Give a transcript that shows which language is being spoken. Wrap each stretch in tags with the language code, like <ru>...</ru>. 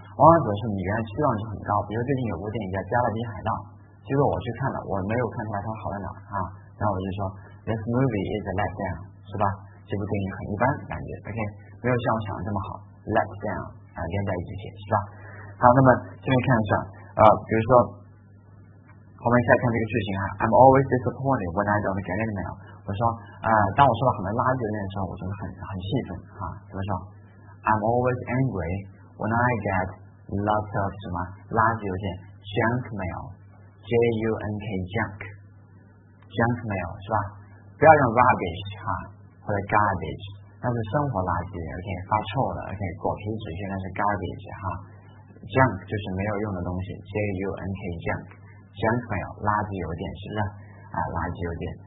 <zh>往往总是你原来期望是很高，比如最近有部电影叫《加勒比海盗》，结果我去看了，我没有看出来它好在哪啊。那我就说</zh> <en>，This movie is a letdown.</en> <zh>是吧？这部电影很一般，感觉 OK， 没有像我想的这么好。Letdown 啊，连在一起写是吧？好，那么下面看一下啊、比如说，后面再看这个剧情啊。</zh> <en>I'm always disappointed when I don't get email.</en> <zh>我说啊、当我收到很多垃圾的那个时候，我真的很气愤啊。怎么说 ？</zh> <en>I'm always angry when I get lots of</en> <zh>什么垃圾邮件</zh> <en>，junk mail，J U N K junk mail 是吧？</en> <zh>不要用 rubbish 哈、啊、或者 garbage， 那是生活垃圾 ，OK 发臭的 ，OK 果皮纸屑那是 garbage 哈、啊、，junk 就是没有用的东西 ，J U N K junk mail 垃圾邮件是不是？啊，垃圾邮件。</zh>